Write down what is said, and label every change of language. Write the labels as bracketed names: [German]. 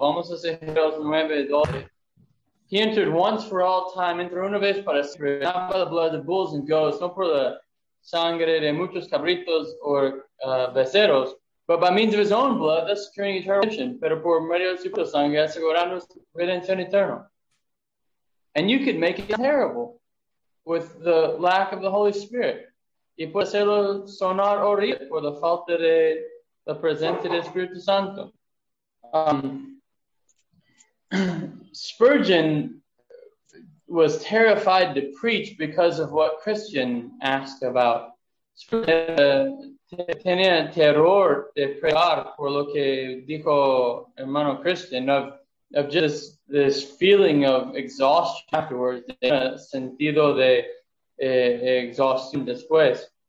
[Spanish] Vamos a decir Hebreos 9:12. [English] He entered once for all time, [Spanish] entró una vez para siempre, [English] not by the blood of bulls and goats, [Spanish] no por la sangre de muchos cabritos o beceros, [English] but by means of his own blood, thus securing eternal redemption, [Spanish] pero por medio de su propia sangre, asegurando su redención eterna. [English] And you could make it terrible with the lack of the Holy Spirit. [Spanish] Y puede hacerlo sonar horrible por la falta de la presencia del Espíritu Santo. [English] Spurgeon was terrified to preach because of what Christian asked about. [Spanish] Spurgeon tenía terror de pregar por lo que dijo hermano Christian [English] of just this feeling of exhaustion afterwards, [Spanish] sentido de exhaustion después.